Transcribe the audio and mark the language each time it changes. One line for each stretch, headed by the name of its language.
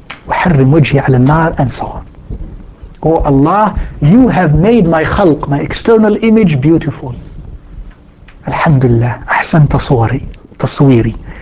Arabic: وَحَرِّمْ وَجْهِ عَلَى النَّارِ and so on.
English: Oh Allah, you have made my khalq, my external image, beautiful.
Arabic: Alhamdulillah, أَحْسَنْتَ صُوَرِي, تَصْوِيرِي.